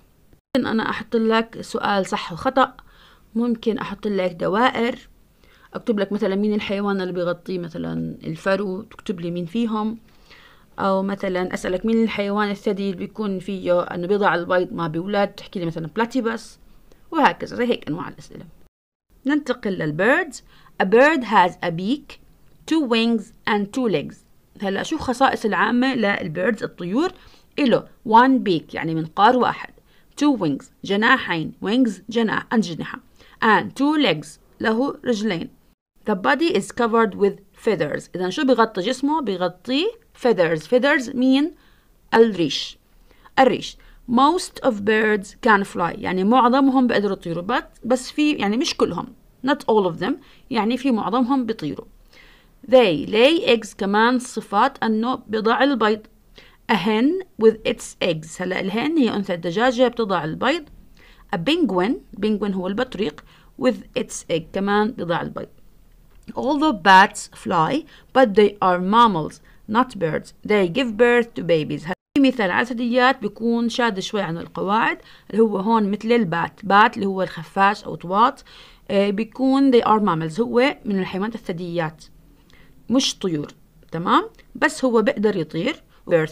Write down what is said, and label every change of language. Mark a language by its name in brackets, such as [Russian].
[Arabic] ممكن أنا أحط لك سؤال صح وخطأ. ممكن أحط لك دوائر أكتب لك مثلا مين الحيوان اللي بيغطي مثلا الفرو تكتب لي مين فيهم أو مثلا أسألك مين الحيوان الثدي اللي بيكون فيه أنه بيضع البيض ما بيولد تحكي لي مثلا بلاتيبس وهكذا زي هيك أنواع الأسئلة. ننتقل للبيردز. [English] A bird has a beak, two wings and two legs. [Arabic] هلأ شو خصائص العامة للبيردز الطيور؟ إله [English] one beak [Arabic] يعني منقار واحد [English] two wings [Arabic] جناحين wings جناح أجنحة [English] and two legs [Arabic] له رجلين. [English] The body is covered with feathers. [Arabic] إذا شو بغطي جسمه؟ بغطي feathers. [English] Feathers mean [Arabic] الريش. الريش. [English] Most of birds can fly. [Arabic] يعني معظمهم بقدروا يطيروا. بس في يعني مش كلهم. [English] Not all of them. [Arabic] يعني في معظمهم بيطيروا. [English] They lay eggs [Arabic] كمان صفات أنه بضع البيض. [English] A hen with its eggs. [Arabic] هلا الهن هي أنثى الدجاجة بتضع البيض. [English] A penguin. Penguin [Arabic] هو البطريق. [English] With its egg. [Arabic] كمان بضع البيض. [English] Although bats fly, but they are mammals, not birds. They give birth to babies. [Arabic] في مثال على ثدييات بيكون شاد شوي عن القواعد. اللي هو هون مثل البات. بات اللي هو الخفاش أو طواط. [English] بيكون they are mammals. [Arabic] هو من الحيوانات الثدييات. مش طيور. تمام؟ بس هو بقدر يطير. Birth.